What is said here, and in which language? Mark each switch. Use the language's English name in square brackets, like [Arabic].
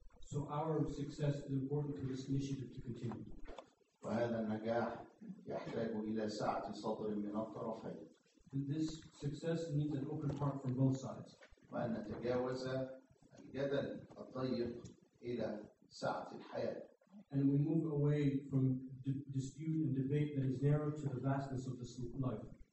[English] So our success is important to this initiative to continue. [Arabic] وهذا النجاح يحتاج إلى سعة صدر من الطرفين. [English] And this success needs an open heart from both sides. [Arabic] وأن نتجاوز الجدل الضيق إلى سعة الحياة. [English] And we move away from dispute and debate that is narrow to the vastness of this life.